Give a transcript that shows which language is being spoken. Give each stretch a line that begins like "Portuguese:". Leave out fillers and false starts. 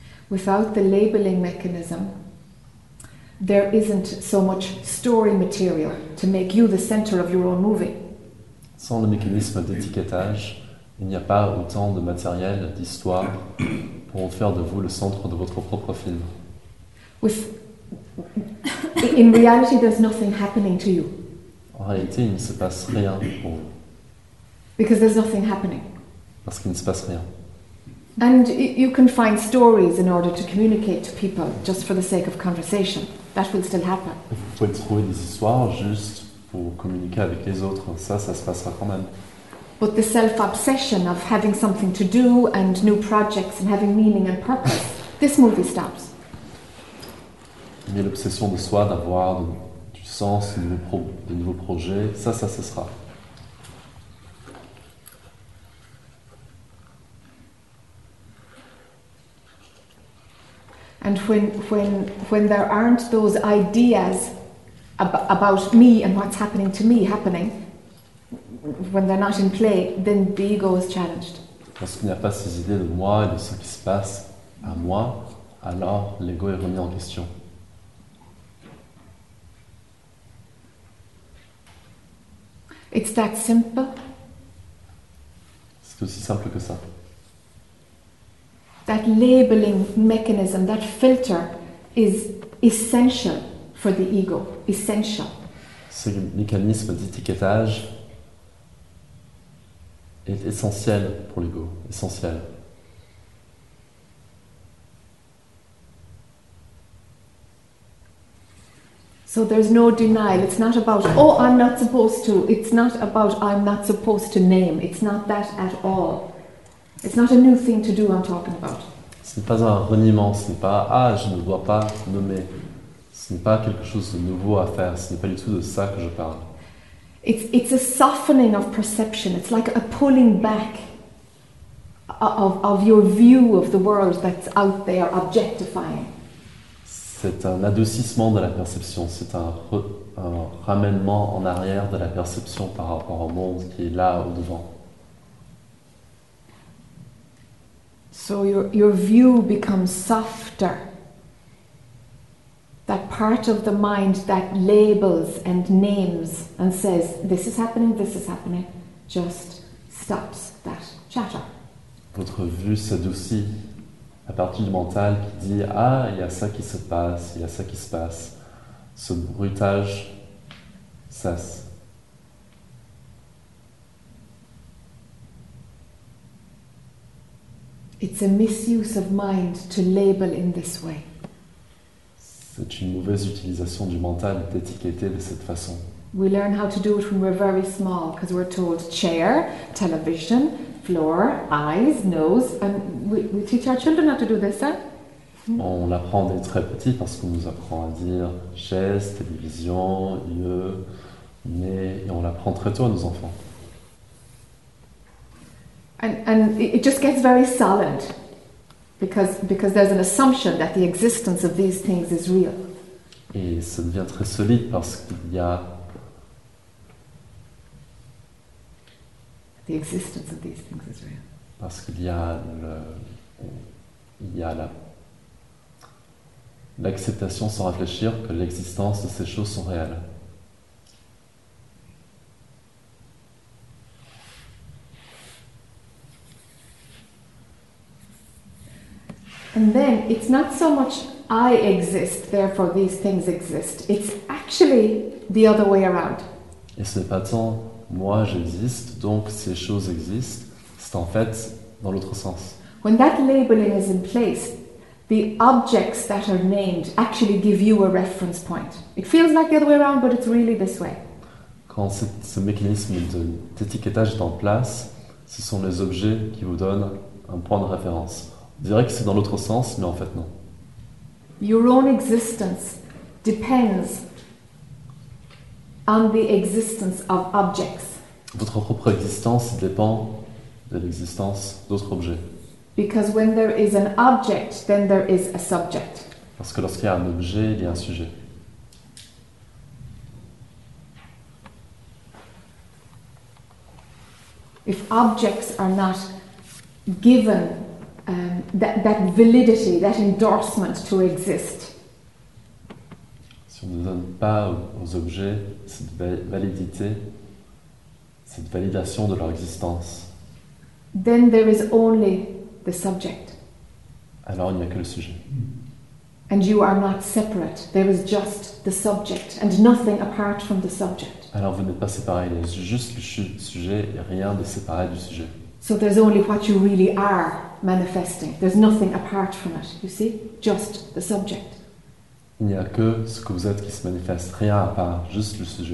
English: Without the labeling mechanism, there isn't so much story material to make you the center of your own movie.
French: Sans le mécanisme d'étiquetage, il n'y a pas autant de matériel, d'histoire, pour faire de vous le centre de votre propre film.
English: In reality, there's nothing happening to you.
French: En réalité, il ne se passe rien pour vous.
English: Because there's nothing happening.
French: Parce qu'il ne se passe rien.
English: And you can find stories in order to communicate to people just for the sake of conversation. That will still happen.
French: Vous pouvez trouver des histoires juste pour communiquer avec les autres. Ça se passera quand même.
English: But the self-obsession of having something to do and new projects and having meaning and purpose, this movie stops.
French: Mais l'obsession de soi, d'avoir du sens, de nouveaux projets, ça cessera.
English: And when there aren't those ideas about me and what's happening to me happening, when they're not in play, then the ego is challenged.
French: Parce qu'il n'y a pas ces idées de moi et de ce qui se passe à moi, alors l'ego est remis en question.
English: It's that simple.
French: C'est aussi simple que ça.
English: That labeling mechanism, that filter, is essential for the ego. Essential.
French: Ce mécanisme d'étiquetage est essentiel pour l'ego. Essentiel.
English: So there's no denial. It's not about, oh, I'm not supposed to. It's not about, I'm not supposed to name. It's not that at all. It's not a new thing to do, I'm talking about.
French: Ce n'est pas un reniement, ce n'est pas « Ah, je ne dois pas nommer ». Ce n'est pas quelque chose de nouveau à faire, ce n'est pas du tout de ça que je parle.
English: It's a softening of perception, it's like a pulling back of your view of the world that's out there objectifying.
French: C'est un adoucissement de la perception, c'est un ramènement en arrière de la perception par rapport au monde qui est là au-devant.
English: So your view becomes softer. That part of the mind that labels and names and says, this is happening, just stops that chatter.
French: Votre vue s'adoucit. La partie du mental qui dit, ah, il y a ça qui se passe, il y a ça qui se passe. Ce bruitage cesse.
English: It's a misuse of mind to label in this way.
French: C'est une mauvaise utilisation du mental d'étiqueter de cette façon.
English: We learn how to do it when we're very small because we're told chair, television, floor, eyes, nose, and we teach our children how to do this, hein?
French: On l'apprend dès très petit parce qu'on nous apprend à dire chaise, télévision, yeux, nez, et on l'apprend très tôt à nos enfants.
English: And it just gets very solid because there's an assumption that the existence of these things is real.
French: Et ça devient très solide parce qu'il y a
English: the existence of these things is real.
French: Parce qu'il y a l'acceptation sans réfléchir que l'existence de ces choses sont réelles.
English: And then it's not so much I exist, therefore these things exist. It's actually the other way around.
French: Et ce n'est pas tant moi j'existe, donc ces choses existent, c'est en fait dans l'autre sens.
English: When that labeling is in place, the objects that are named actually give you a reference point. It feels like the other way around, but it's really this way.
French: Quand ce mécanisme d'étiquetage est en place, ce sont les objets qui vous donnent un point de référence. On dirait que c'est dans l'autre sens, mais en fait non.
English: Your own existence depends on the existence of objects.
French: Votre propre existence dépend de l'existence d'autres objets.
English: Because when there is an object, then there is a subject.
French: Parce que lorsqu'il y a un objet, il y a un sujet.
English: If objects are not given that validity, that endorsement to exist.
French: Si on ne donne pas aux objets cette validité, cette validation de leur existence,
English: then there is only the subject.
French: Alors il n'y a que le sujet.
English: And you are not separate. There is just the subject and nothing apart from the subject.
French: Alors vous n'êtes pas séparés, il y a juste le sujet et rien de séparé du sujet.
English: So there's only what you really are manifesting. There's nothing apart from it, you see? Just the subject.
French: Il n'y a que ce que vous êtes qui se manifeste, rien à part, juste le sujet.